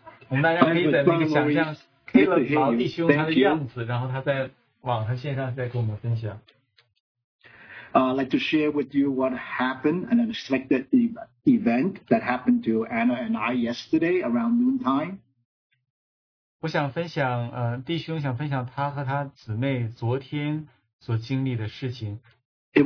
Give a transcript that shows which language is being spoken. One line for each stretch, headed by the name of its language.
Chinese: 我们大家可以在那个想象 Caleb 老弟兄他的样子，然后他在往他现在在跟我们分享。
English: I'd like to share with you what happened, an unexpected event that happened to Anna and I yesterday around noontime.
Chinese: 我想分享弟兄想分享他和他姊妹昨天所经历的事情。It